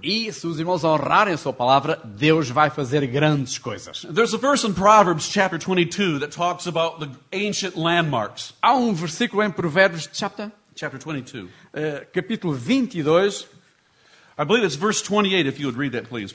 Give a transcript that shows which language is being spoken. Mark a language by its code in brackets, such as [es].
[pt] E se os irmãos honrarem a sua palavra, Deus vai fazer grandes coisas. [en] There's a verse in Proverbs chapter 22 that talks about the ancient landmarks. [pt] Há um versículo em Provérbios chapter 22. Capítulo 22. [en] I believe it's verse 28 if you would read that please.